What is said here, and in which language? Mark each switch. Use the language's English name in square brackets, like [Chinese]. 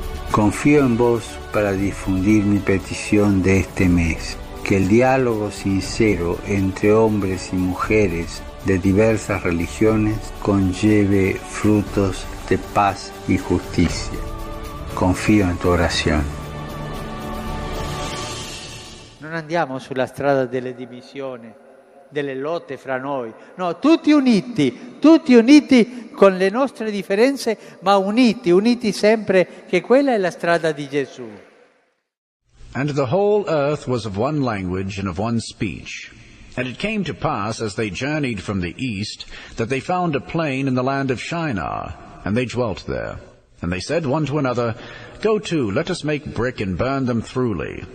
[Spanish] Confío en vos para difundir mi petición de este mes. Que el diálogo sincero entre hombres y mujeres de diversas religiones conlleve frutos de paz y justicia. Confío en tu oración. [Italian] Non andiamo sulla strada delle divisioni, delle lotte fra noi. No, tutti uniti con le nostre differenze, ma uniti, uniti sempre, che quella è la strada di Gesù. [English] And the whole earth was of one language and of one speech. And it came to pass, as they journeyed from the east, that they found a plain in the land of Shinar, and they dwelt there. And they said one to another, Go to, let us make brick and burn them throughly.